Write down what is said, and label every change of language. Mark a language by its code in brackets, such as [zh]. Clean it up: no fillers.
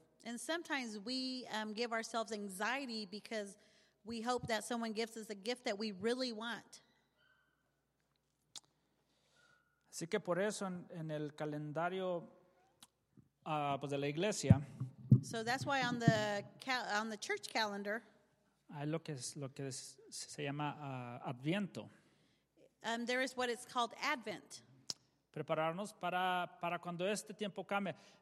[en] And sometimes we give ourselves anxiety because we hope that someone gives us a gift that we really want. [es] Así que por eso en el calendario pues de la iglesia. [en] So that's why on the church calendar. [es] Hay lo que se llama Adviento. [en] There is what it's called Advent. [es] Prepararnos para cuando este tiempo cambie.